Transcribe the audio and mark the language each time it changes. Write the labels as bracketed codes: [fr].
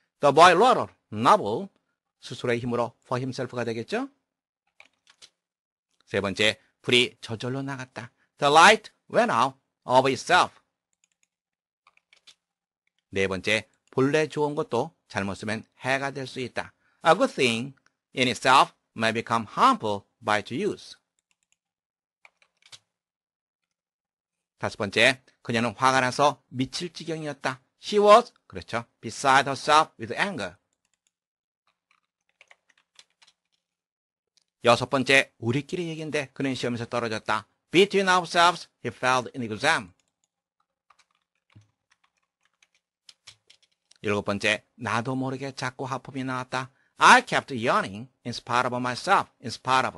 [en] The boy wrote a novel, [ko] 스스로의 힘으로 [en] for himself가 [ko] 되겠죠. 세 번째, 불이 저절로 나갔다. [en] The light went out. Of itself. [ko] 네 번째, 본래 좋은 것도 잘못 쓰면 해가 될 수 있다. [en] A good thing in itself may become harmful by its use. [ko] 다섯 번째, 그녀는 화가 나서 미칠 지경이었다. [en] She was, [ko] 그렇죠, [en] beside herself with anger. [ko] 여섯 번째, 우리끼리 얘기인데 그는 시험에서 떨어졌다. [en] Between ourselves, he failed in exam. [ko] 일곱 번째, 나도 모르게 자꾸 하품이 나왔다. [en] I kept yawning in spite of myself, in spite of.